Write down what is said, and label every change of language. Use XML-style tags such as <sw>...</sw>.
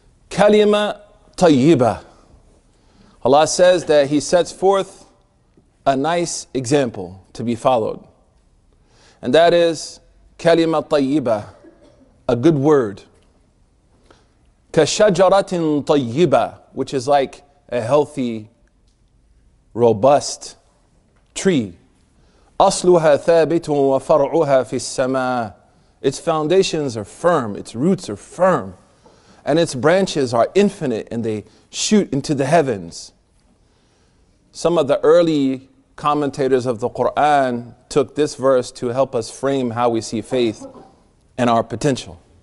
<en>Kalima tayyiba. Allah says that He sets forth a nice example to be followed. And that is kalima tayyiba, a good word. Kashajaratin tayyiba, which is like a healthy, robust tree.</en> <ar>أصلها ثابت وفرعها في السماء.</ar> <en>Its foundations are firm, its roots are firm, and its branches are infinite and they shoot into the heavens. Some of the early commentators of the Quran took this verse to help us frame how we see faith and our potential.</en>